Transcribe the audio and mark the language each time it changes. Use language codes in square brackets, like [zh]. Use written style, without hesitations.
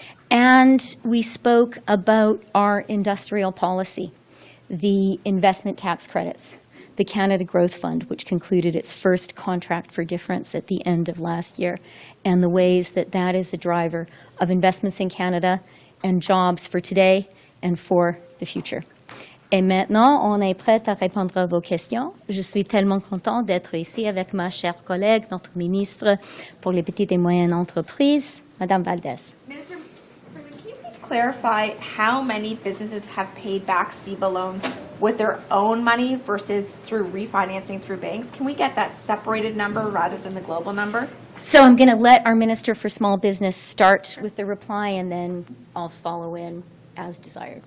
[en] And we spoke about our industrial policy, the investment tax credits, the Canada Growth Fund, which concluded its first contract for difference at the end of last year, and the ways that that is a driver of investments in Canada and jobs for today and for the future. [fr] Et maintenant, on est prêt à répondre à vos questions. Je suis tellement content d'être ici avec ma chère collègue, notre ministre pour les petites et moyennes entreprises, Madame Valdez. [en] Clarify how many businesses have paid back CEBA loans with their own money versus through refinancing through banks? Can we get that separated number rather than the global number? So I'm going to let our Minister for Small Business start with the reply and then I'll follow in as desired.